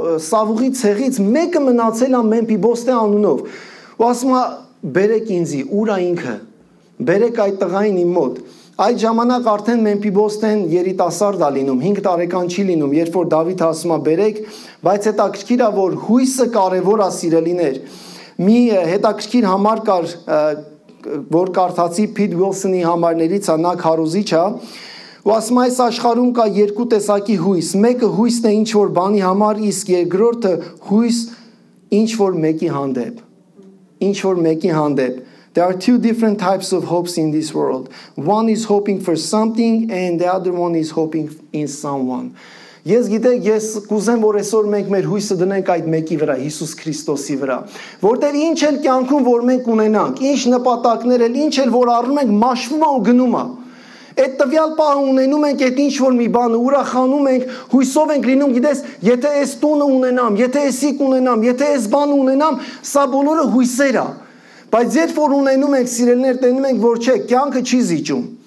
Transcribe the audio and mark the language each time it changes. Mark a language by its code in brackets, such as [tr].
[hy] Սավուղի ցեղից մեկը մնացել է Մեմփիբոսթե անունով, ու ասում է՝ «Բերեք ինձի, ուր է ինքը, բերեք այդ տղային իմ մոտ»։ Այդ ժամանակ արդեն Մեմփիբոսթեն երիտասարդ է լինում, 5 տարեկան չի լինում, երբ որ Դավիթը ասում է՝ «Բերեք»։ Բայց հետաքրքիր է, որ հույսը կարևոր է, սիրելիներ։ Մի հետաքրքիր համար կար, որ կարդացի Փիթ Ուիլսոնի համարներից, նա քարոզիչ է, ու ասում է՝ «Այս աշխարհում կա երկու տեսակի հույս. մեկը հույսն է ինչ-որ բանի համար, իսկ երկրորդը հույս ինչ-որ մեկի հանդեպ»։ Ինչ-որ մեկի հանդեպ։ [en] There are two different types of hopes in this world. One is hoping for something and the other one is hoping in someone. [hy] Ես գիտեք, ես կուզեմ, որ այսօր մենք մեր հույսը դնենք այդ մեկի վրա, Հիսուս Քրիստոսի վրա, որտեղ ինչ էլ կյանքում որ մենք ունենանք, ինչ նպատակներ էլ, ինչ էլ որ առնում ենք, մաշվում ա ու գնում ա։ Այդ տվյալ պահը ունենում ենք, այդ ինչ որ մի բան ուրախանում ենք, հույսով ենք լինում, գիտես, եթե այս տունը ունենամ, եթե այսիկ ունենամ, եթե այս բանը ունենամ, սա բոլորը հույսեր ա։ Բայց երբ որ ունենում ենք, սիրելիներ, տենում ենք, որ չէ, կյանքը չի զիջում։